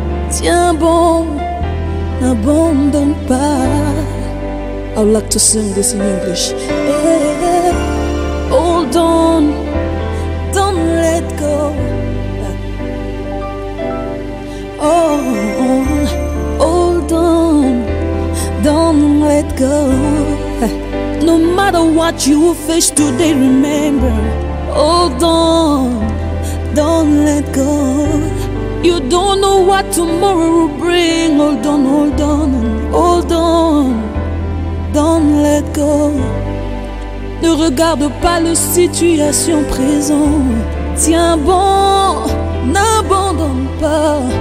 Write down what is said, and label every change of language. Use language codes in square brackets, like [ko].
[fr] Tiens bon, n'abandonne pas. [en] I would like to sing this in English. Hey. Hold on, don't let go. Oh, hold on, don't let go. No matter what you will face today, remember. Hold on, don't let go. You don't know what tomorrow will bring. Hold on, hold on, hold on, don't let go. [fr] Ne regarde pas la situation présente. Tiens bon, n'abandonne pas.